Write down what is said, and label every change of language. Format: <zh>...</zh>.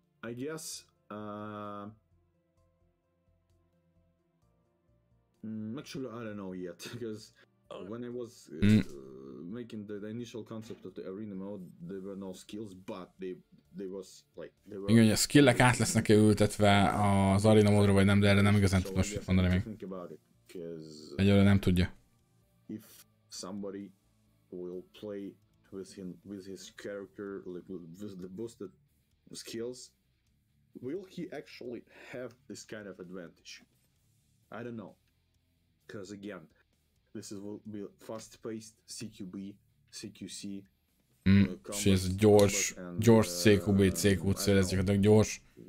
<en>I guess, actually, I don't know yet, because when I was making the initial concept of the arena mode, there were no skills, but they was like, they were...</en> <hu>Igen, hogy a skillek át lesznek-e ültetve az arena módra, vagy nem, de erre nem igazán tudom most mondani még. Egyelőre nem tudja.</hu> <en>If somebody will play with his character, like with the boosted skills, will he actually have this kind of advantage? I don't know, because again, this will be fast-paced CQB, CQC.</en> <hu>Ez gyors CQB, CQC, ez gyakorlatilag gyors.</hu>